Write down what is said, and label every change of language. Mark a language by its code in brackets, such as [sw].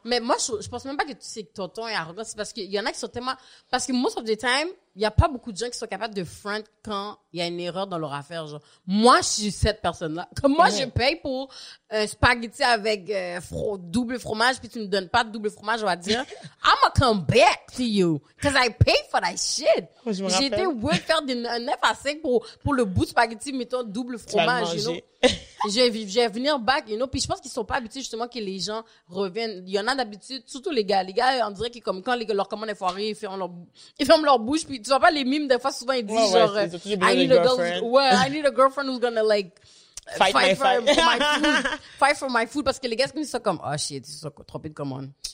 [fr] Mais moi, je pense même pas que tu sais que tonton est arrogant. C'est parce qu'il y en a qui sont tellement, parce que most of the time, il n'y a pas beaucoup de gens qui sont capables de front quand il y a une erreur dans leur affaire. Genre, moi, je suis cette personne-là. Comme moi, je paye pour un spaghetti avec double fromage, puis tu ne me donnes pas de double fromage, on va dire. [en] I'm gonna come back to you, because I pay for that shit. [fr] J'ai été ouais faire un 9 à 5 pour le bout de spaghetti, mettons double fromage. Tu l'as mangé. Je vais venir back, you know. Puis je pense qu'ils ne sont pas habitués, justement, que les gens reviennent. Il y en a d'habitude, surtout les gars. Les gars, on dirait que comme quand leur commande est foirée, ils ferment leur bouche, puis tu vois pas les mimes, des fois, souvent, ils disent I need a girlfriend who's gonna, like, fight for my food. Parce que les gars, ils sont comme, oh shit, ils sont trompés de commande.